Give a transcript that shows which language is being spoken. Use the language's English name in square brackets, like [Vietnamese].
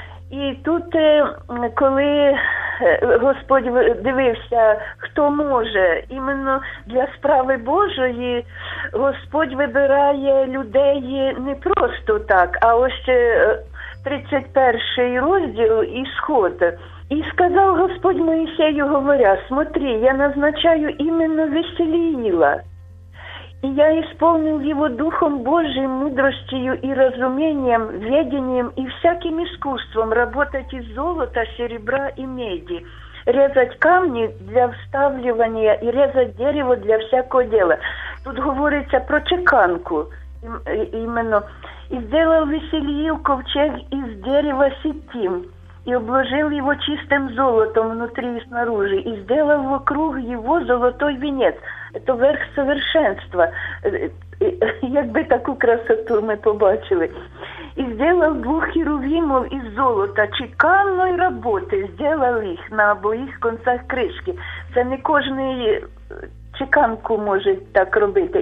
[Ukrainian] І тут, коли Господь дивився, хто може, іменно для справи Божої, Господь вибирає людей не просто так, а ось 31 розділ «Ісход». І сказав Господь Моїсею, говоря, [Russian] «Смотри, я назначаю [Ukrainian] іменно Веселіїла». [Russian] І я исполнил его Духом Божиим, мудростью и разумением, ведением и всяким искусством работать из золота, серебра и меди, резать камни для вставливания и резать дерево для всякого дела. Тут говорится про чеканку именно. И сделал Веселиил ковчег из дерева ситим, и обложил его чистым золотом внутри и снаружи, и сделал вокруг его золотой венец. Это верх совершенства. [Ukrainian] Якби таку красоту ми побачили. І зробив двох херувімів із золота, чеканної роботи, зробив їх на обоїх концях кришки. Це не кожен чеканку може так робити.